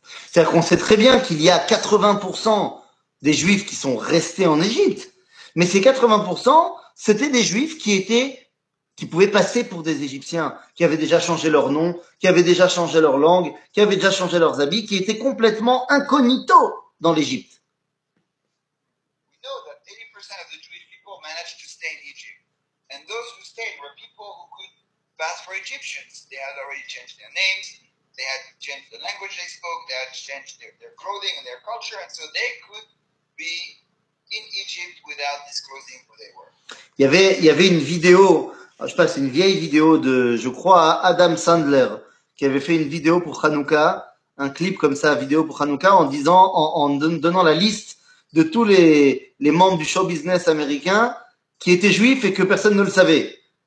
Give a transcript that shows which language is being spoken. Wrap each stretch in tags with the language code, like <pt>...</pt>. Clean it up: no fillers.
<fr>C'est-à-dire qu'on sait très bien qu'il y a 80% des juifs qui sont restés en Égypte, mais ces 80%, c'était des juifs qui pouvaient passer pour des Égyptiens, qui avaient déjà changé leur nom, qui avaient déjà changé leur langue, qui avaient déjà changé leurs habits, qui étaient complètement incognito dans l'Égypte.</fr> <en>We know that 80% of the Jewish people managed to stay in Egypt, and those who stayed were people who could pass for Egyptians. They had already changed their names, they had changed the language they spoke, they had changed their clothing and their culture, and so they could be in Egypt without disclosing who they were.</en> <fr>Il y avait une vidéo, je ne sais pas, c'est une vieille vidéo de, je crois, Adam Sandler, qui avait fait une vidéo pour Hanouka, un clip comme ça, vidéo pour Hanouka, en disant, en donnant la liste de tous les membres du show business américain qui étaient juifs et que personne ne le savait.</fr>